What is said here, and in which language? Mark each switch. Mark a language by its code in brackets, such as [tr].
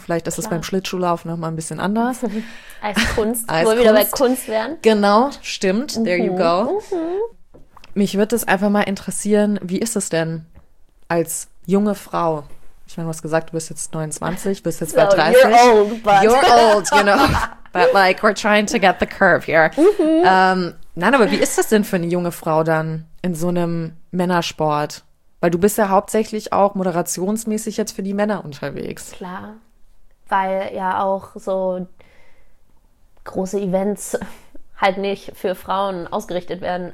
[de] Vielleicht ist es beim Schlittschuhlaufen noch mal ein bisschen anders. Als Kunst, wo wir wieder bei Kunst wären. Genau, stimmt, [en] there you go. [de] Mich würde es einfach mal interessieren, wie ist es denn als junge Frau? Ich meine, du hast gesagt, du bist jetzt 29, bist jetzt bei 30. [en] You're old, but... You're old, you know. But like, we're trying to get the curve here. [de] Nein, aber wie ist das denn für eine junge Frau dann in so einem Männersport? Weil du bist ja hauptsächlich auch moderationsmäßig jetzt für die Männer unterwegs. Klar, weil ja auch so große Events halt nicht für Frauen ausgerichtet werden.